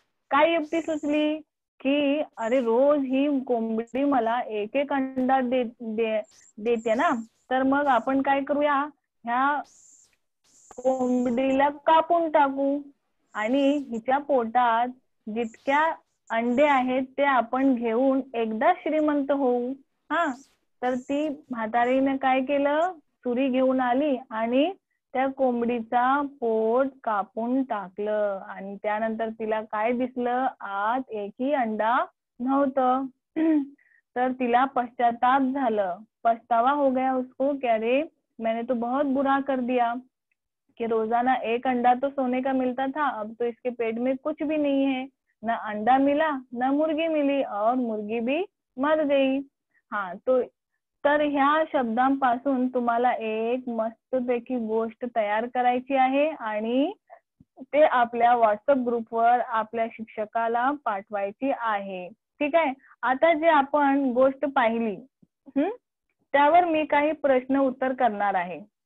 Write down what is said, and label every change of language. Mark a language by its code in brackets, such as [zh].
[mr] काय युक्ती सुचली? कि अरे रोज ही कोंबडी मला एक एक अंडा देते ना, तर मग आपण काय करूया, ह्या कोंबडीला कापून टाकू आणि हिच्या पोटात जितक्या अंडे आहेत ते आपण घेऊन एकदा श्रीमंत होऊ. हा तर ती म्हातारीने काय केलं, सुरी घेऊन आली आणि त्या कोंबडीचा पोट कापून टाकलं आणि त्यानंतर तिला काय दिसलं, आत एकही अंडा नव्हतं. तर तिला पश्चाताप झालं, [hi] पछतावा हो गया उसको, कि अरे मैंने तो बहुत बुरा कर दिया, कि रोजाना एक अंडा तो सोने का मिलता था, अब तो इसके पेट में कुछ भी नहीं है, ना अंडा मिला ना मुर्गी मिली और मुर्गी भी मर गई. [mr] हाँ तो तर ह्या शब्दांपासून तुम्हाला एक मस्त पैकी गोष्ट तयार करायची आहे आणि ते आपल्या व्हॉट्सअप ग्रुपवर आपल्या शिक्षकाला पाठवायची आहे. ठीक आहे, आता जे आपण गोष्ट पाहिली त्यावर मी काही प्रश्न उत्तर करणार आहे.